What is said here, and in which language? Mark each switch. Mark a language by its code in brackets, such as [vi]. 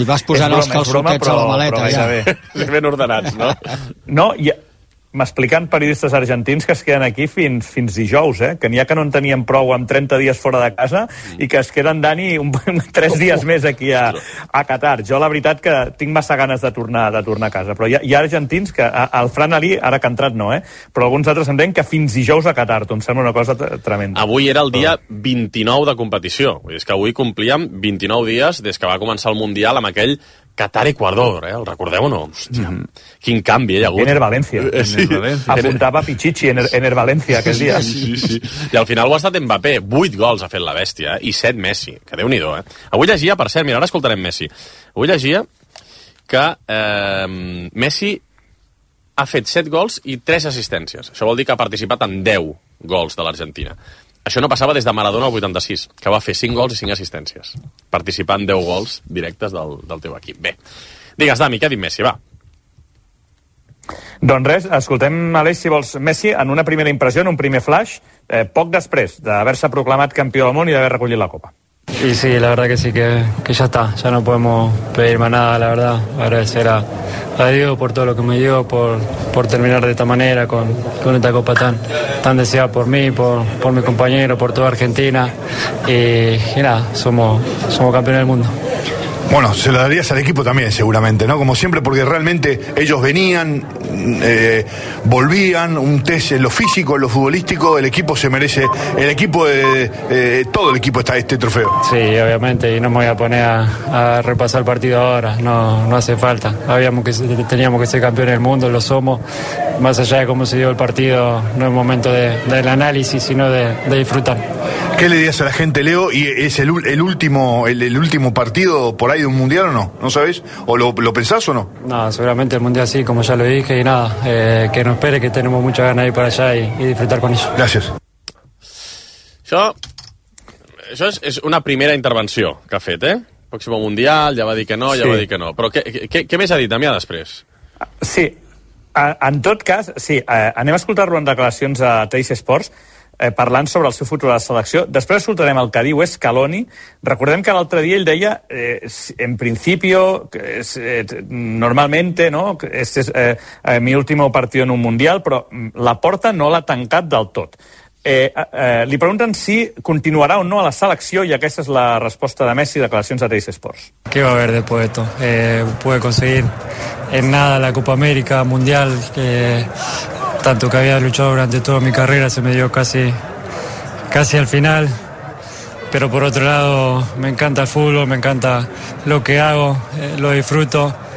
[ca] i vas posant els calçotets a la maleta. Però ja. Bé. Ben ordenats, no? No, i m'expliquen periodistes argentins que es queden aquí fins dijous, eh? Que n'hi ha que no en tenien prou amb 30 dies fora de casa i que es queden, Dani, 3 dies més aquí a Qatar. Jo, la veritat, que tinc massa ganes de tornar a casa. Però hi ha argentins que... El Fran Ali, ara que ha entrat no, eh? Però alguns altres entenc que fins dijous a Qatar. Em sembla una cosa tremenda. Avui era el dia 29 de competició. És que avui complíem 29 dies des que va començar el Mundial amb aquell Qatar-Equador, el recordeu o no? Hòstia, quin canvi, hi ha hagut. Ener Valencia. Sí. Apuntava Pichichi Ener Valencia aquest dia. Sí. I al final ho ha estat Mbappé. 8 gols ha fet la bèstia i 7 Messi, que déu-n'hi-do. Avui llegia, per cert, mira, ara escoltarem Messi. Avui llegia que Messi ha fet 7 gols i 3 assistències. Això vol dir que ha participat en 10 gols de l'Argentina. Això no passava des de Maradona al 86, que va fer 5 gols i 5 assistències, participant 10 gols directes del teu equip. Bé, digues, Dami, què ha dit Messi, va. Doncs res, escoltem, Aleix, si vols, Messi, en una primera impressió, en un primer flash, poc després d'haver-se proclamat campió del món i d'haver recollit la Copa. [es] Y sí, la verdad que sí, que ya está, ya no podemos pedir más nada, la verdad. Agradecer a Diego por todo lo que me dio, por terminar de esta manera con esta copa tan, tan deseada por mí, por mi compañero, por toda Argentina. Y nada, somos campeones del mundo. Bueno, se lo darías al equipo también, seguramente, ¿no? Como siempre, porque realmente ellos venían, volvían, un test en lo físico, en lo futbolístico, el equipo se merece, el equipo, todo el equipo está este trofeo. Sí, obviamente, y no me voy a poner a repasar el partido ahora, no hace falta. Teníamos que ser campeones del mundo, lo somos. Más allá de cómo se dio el partido, no es momento del análisis, sino de disfrutar. ¿Qué le dirías a la gente, Leo? ¿Y es el último partido por ahí de un Mundial o no? ¿No sabés? ¿O lo pensás o no? No, seguramente el Mundial sí, como ya lo dije, y nada, que no espere, que tenemos muchas ganas de ir para allá y disfrutar con ellos. Gracias. [ca] Això és una primera intervenció que ha fet, eh? Pròximo Mundial, ja va dir que no, ja sí. Va dir que no. Però què més ha dit, Damià, després? Sí, en tot cas, sí, anem a escoltar-lo en declaracions a Teix Esports, parlant sobre el seu futur a la selecció. Després escoltarem el que diu Scaloni. Recordem que l'altre dia ell deia, [es] en principio, normalmente, no? Este es mi último partido en un Mundial, [ca] però la porta no l'ha tancat del tot. Li pregunten si continuarà o no a la selecció i aquesta és la resposta de Messi, declaracions a Teix Esports. [es] ¿Qué va a haber después de esto? Pude conseguir en nada la Copa América Mundial, que tanto que había luchado durante toda mi carrera, se me dio casi al final. Pero por otro lado, me encanta el fútbol, me encanta lo que hago, lo disfruto.